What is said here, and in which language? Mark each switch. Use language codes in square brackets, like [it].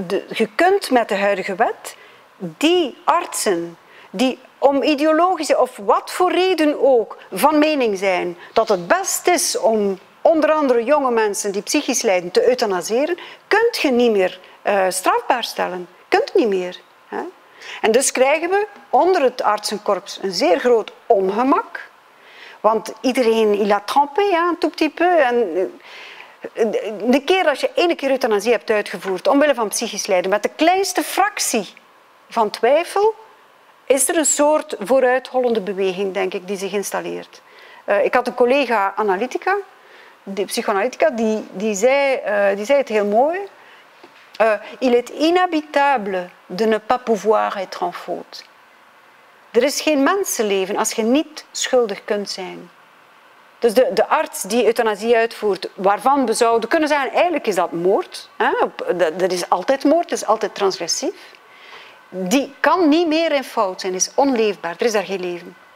[nl] Je kunt met de huidige wet die artsen die om ideologische of wat voor reden ook van mening zijn dat het best is om onder andere jonge mensen die psychisch lijden te euthanaseren, kunt je niet meer strafbaar stellen. Kunt niet meer. Hè? En dus krijgen we onder het artsenkorps een zeer groot ongemak. [fr] Want iedereen, il a trempé, un tout petit peu. [nl] En de keer als je één keer euthanasie hebt uitgevoerd omwille van psychisch lijden, met de kleinste fractie van twijfel, is er een soort vooruithollende beweging, denk ik, die zich installeert. Ik had een collega analytica, de psychoanalytica, die zei het heel mooi. [fr] Il est inhabitable de ne pas pouvoir être en faute. [nl] Er is geen mensenleven als je niet schuldig kunt zijn. Dus de arts die euthanasie uitvoert, waarvan we zouden kunnen zeggen, eigenlijk is dat moord. Hè? Dat is altijd moord, dat is altijd transgressief. Die kan niet meer in fout zijn, is onleefbaar. Er is daar geen leven.